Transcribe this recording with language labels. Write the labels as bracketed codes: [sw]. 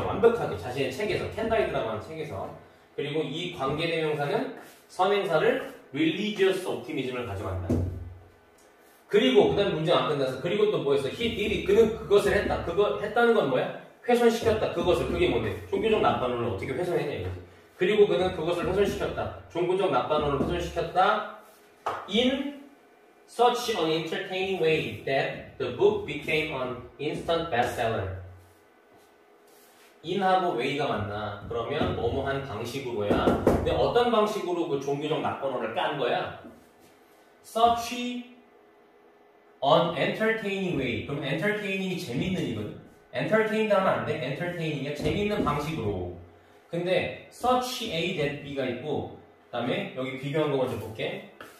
[ko] 완벽하게 자신의 책에서, 캔다이드라고 하는 책에서. 그리고 이 관계대명사는 선행사를 [en] religious optimism [ko] 을 가져간다. 그리고 그 다음 문장 안 끝나서, 그리고 또 뭐였어? [en] He did it. [ko] 그는 그것을 했다. 그거 했다는 건 뭐야? 훼손시켰다. 그것을. 그게 뭔데? 종교적 낙관론을 어떻게 훼손했냐 이거지. 그리고 그는 그것을 훼손시켰다. 종교적 낙관론을 훼손시켰다. [en] In such an entertaining way that the book became an instant bestseller. [ko] In하고 way가 맞나? 그러면 뭐뭐한 방식으로야. 근데 어떤 방식으로 그 종교적 낙관론을 깐 거야? [en] Such an entertaining way. [ko] 그럼 entertaining이 재밌는 이거. Entertain 하면 안 돼. Entertaining이야. 재밌는 방식으로. 근데 such A that B가 있고, 그 다음에 여기 비교한 거 먼저 볼게.